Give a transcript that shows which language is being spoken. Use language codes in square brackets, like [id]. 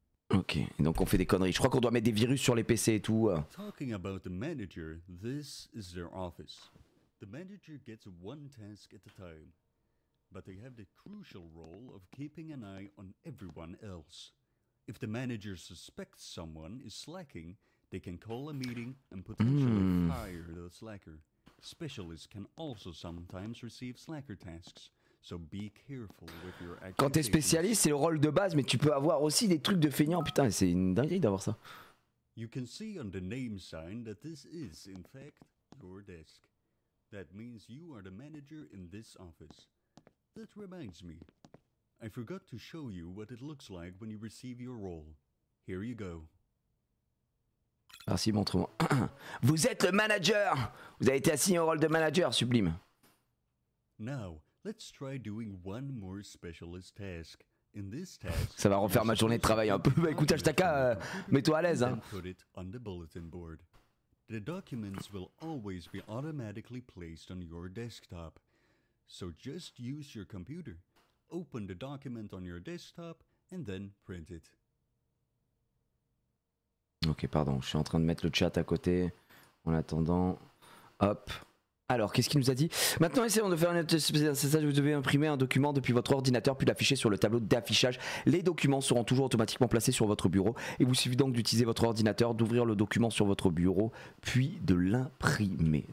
[fr] Ok, et donc on fait des conneries. Je crois qu'on doit mettre des virus sur les PC et tout. [en] Talking about the manager, this is their office. The manager gets one task at a time, but they have the crucial role of keeping an eye on everyone else. If the manager suspects someone is slacking, they can call a meeting and potentially fire the slacker. Specialists can also sometimes receive slacker tasks, so be careful with your activities. [fr] Quand t'es spécialiste, c'est le rôle de base, mais tu peux avoir aussi des trucs de feignant. Putain, c'est une dinguerie d'avoir ça. [en] You can see on the name sign that this is, in fact, your desk. That means you are the manager in this office. That reminds me. I forgot to show you what it looks like when you receive your role. Here you go. [fr] Merci, montre-moi. Vous êtes le manager! Vous avez été assigné au rôle de manager, sublime. [en] Now, let's try doing one more specialist task. In this task... [fr] Ça va refaire ma journée de travail un peu. Bah écoute, Ashtaka, mets-toi à l'aise. Hein. [en] Put it on the bulletin board. The documents will always be automatically placed on your desktop. So just use your computer. Open the document on your desktop and then print it. [fr] Ok, pardon, je suis en train de mettre le chat à côté en attendant. Hop. Alors, qu'est-ce qu'il nous a dit? Maintenant, essayons de faire un message. Vous devez imprimer un document depuis votre ordinateur, puis l'afficher sur le tableau d'affichage. Les documents seront toujours automatiquement placés sur votre bureau. Il vous suffit donc d'utiliser votre ordinateur, d'ouvrir le document sur votre bureau, puis de l'imprimer.